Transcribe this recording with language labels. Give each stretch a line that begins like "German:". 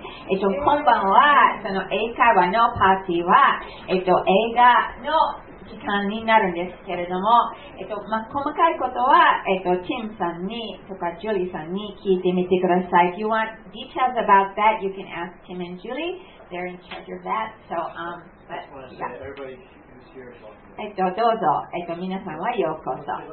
Japanese: 今晩はその英会話のパーティーは、映画の時間になるんですけれども、細かいことは、Tim さんにとか Julie さんに聞いてみてください。
English: If you want details about that, you can ask Tim and Julie. They're in charge of that. So, but yeah.
Japanese: どうぞ、皆さんはようこそ。